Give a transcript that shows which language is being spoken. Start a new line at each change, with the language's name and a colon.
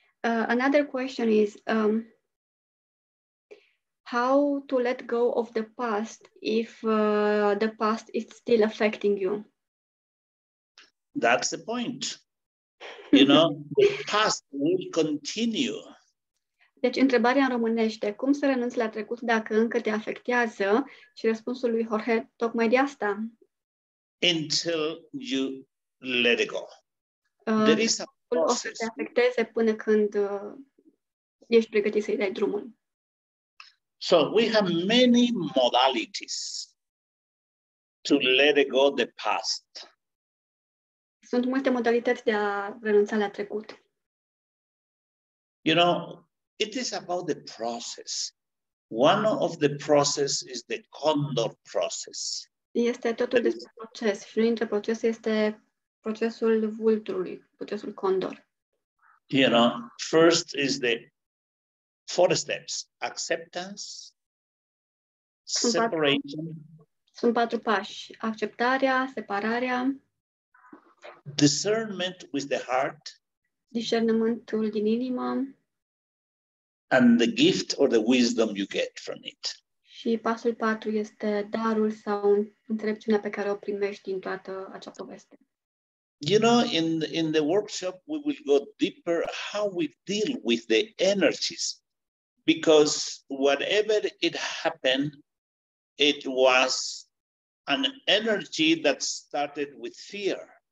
English: Another question is how to let go of the past if the past is still affecting you? That's the point. You know, the past will continue.
Romanian: Deci, întrebarea în românește, cum să renunți la trecut dacă încă te afectează? Și răspunsul lui Jorge, tocmai de asta.
English: Until you let it go. There is a process.
Romanian: O să te afecteze până când ești pregătit să-i dai drumul.
English: So we have many modalities to let it go the past.
Romanian: Sunt multe modalități de a renunța la trecut.
English: You know, it is about the process. One of the process is the Condor process.
Romanian: Este totul despre proces și unul dintre procese este procesul vulturului, procesul Condor.
English: You know, first is the four steps: acceptance, separation.
Romanian: Sunt patru pași: acceptarea, separarea,
English: discernment with the heart,
Romanian: discernământul din inimă,
English: and the gift or the wisdom you get from it.
Romanian: Și pasul 4 este darul sau înțelepciunea pe care o primești din toată acea poveste.
English: You know, in the workshop we will go deeper how we deal with the energies, because whatever it happened, it was an energy that started with fear.